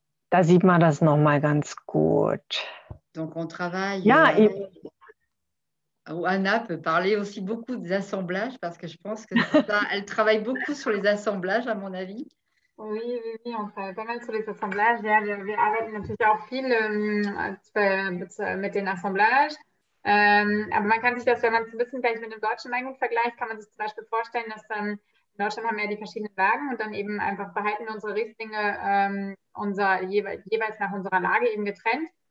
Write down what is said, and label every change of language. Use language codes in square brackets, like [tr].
[de] Da sieht man das noch mal ganz gut. [fr] Donc, on travaille. [de] Ja, [fr] Anna peut parler aussi beaucoup des assemblages parce que je pense que ça, elle travaille beaucoup sur les assemblages, à mon avis. oui, on fait pas mal sur les assemblages. [de] Ja, wir arbeiten natürlich auch viel mit den Assemblages. Aber man kann sich das, wenn man es ein bisschen gleich mit dem deutschen Weingut vergleicht, kann man sich zum Beispiel vorstellen, dass dann in Deutschland haben wir ja die verschiedenen Lagen und dann eben einfach behalten wir unsere Rieslinge jeweils nach unserer Lage eben getrennt.